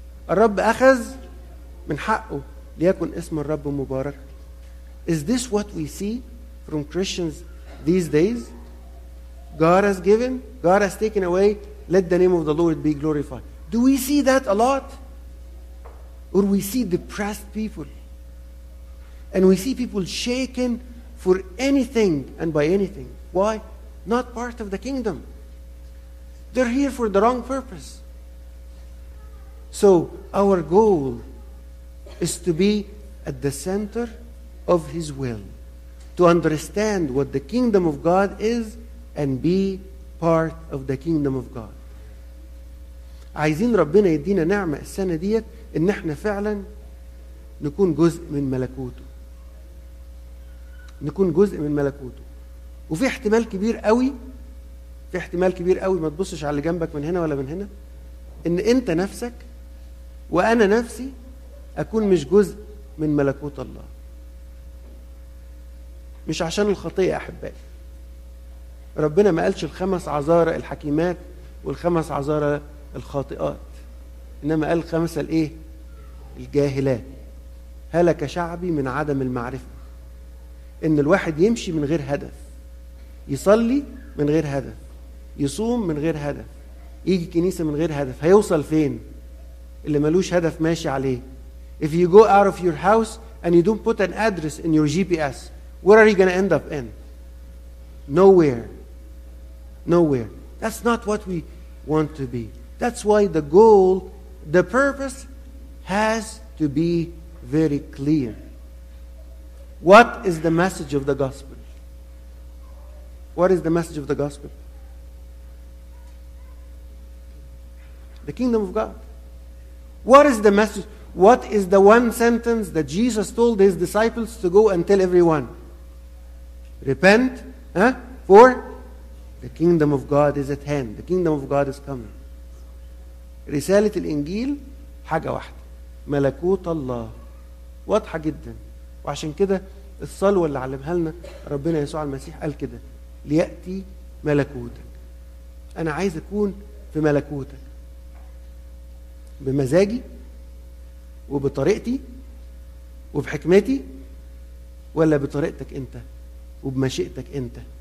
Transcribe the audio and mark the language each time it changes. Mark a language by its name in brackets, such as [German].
[Arabic] الرب اخذ من حقه ليكن اسم الرب مبارك. [English] Is this what we see from Christians these days? God has given, God has taken away, let the name of the Lord be glorified. Do we see that a lot? Or we see depressed people? And we see people shaken for anything and by anything. Why? Not part of the kingdom. They're here for the wrong purpose. So our goal is to be at the center of His will, to understand what the kingdom of God is and be part of the kingdom of God. [Arabic] عايزين ربنا يدينا نعمة السنة دي ان احنا فعلا نكون جزء من ملكوته. نكون جزء من ملكوته. وفي احتمال كبير قوي, في احتمال كبير قوي, ما تبصش على اللي جنبك من هنا ولا من هنا, ان انت نفسك وانا نفسي اكون مش جزء من ملكوت الله. مش عشان الخطيئة احبائي. ربنا ما قالش الخمس عذارى الحكيمات والخمس عذارى الخاطئات, انما قال خمس الايه الجاهلات. هلك شعبي من عدم المعرفة. ان الواحد يمشي من غير هدف, يصلي من غير هدف, يصوم من غير هدف, يجي كنيسة من غير هدف, هيوصل فين؟ اللي ملوش هدف ماشي عليه. [English] If you go out of your house and you don't put an address in your GPS, where are you going to end up in? Nowhere. That's not what we want to be. That's why the goal, the purpose has to be very clear. What is the message of the gospel? What is the message of the gospel? The kingdom of God. What is the message? What is the one sentence that Jesus told His disciples to go and tell everyone? Repent, huh? For the kingdom of God is at hand. The kingdom of God is coming. [Arabic] رسالة الإنجيل حاجة واحدة, ملكوت الله, واضحة جدا. وعشان كده الصلوة اللي علمها لنا ربنا يسوع المسيح قال كده, ليأتي ملكوتك. أنا عايز أكون في ملكوتك بمزاجي وبطريقتي وبحكمتي, ولا بطريقتك أنت وبمشيئتك أنت.